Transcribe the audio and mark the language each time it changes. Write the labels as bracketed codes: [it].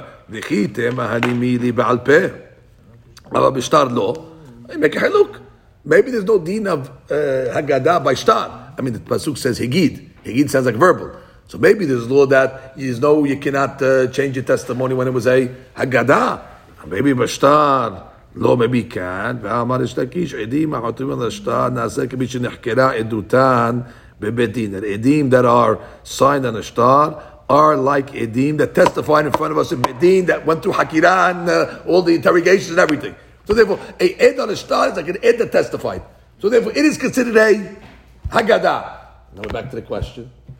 [he] V'chite mahadimili ba'al peh. Aber b'shtar lo. [en] I make a haluk. Maybe there's no din of Haggadah by shtar. I mean, the pasuk says higid. Higid sounds like verbal. So maybe there's a law that is no, you cannot change your testimony when it was a Haggadah. Maybe b'shtar. [he] לא מביקן, ואמר יש להקיש, עדים החותרים על השטר, נעשה כמי שנחקרה עדותן בבית דין. [en] עדים that are signed on the star are like עדים that testified in front of us in בית דין that went through חקירה and all the interrogations and everything. So therefore, a עד on the star is like an עד that testified. So therefore, it is considered a Haggadah. Now we're back to the question.